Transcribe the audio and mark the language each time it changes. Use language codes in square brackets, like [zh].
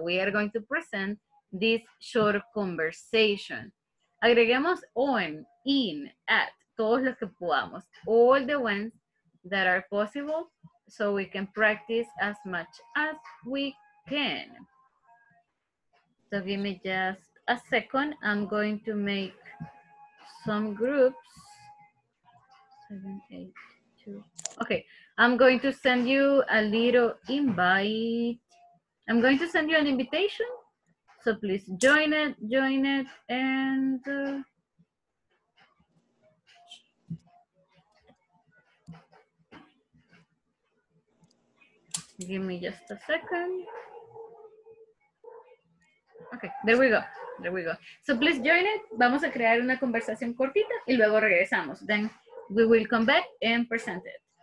[en] We are going to present this short conversation. [es] Agreguemos on, in, at, todos los que podamos. [en] All the ones that are possible. So we can practice as much as we can. So give me just a second. I'm going to make some groups. 7, 8, 2. Okay, I'm going to send you a little invite. I'm going to send you an invitation. So please join it. And give me just a second. Okay, there we go. So please join it. [es] Vamos a crear una conversación cortita y luego regresamos. [en] Then we will come back and present it.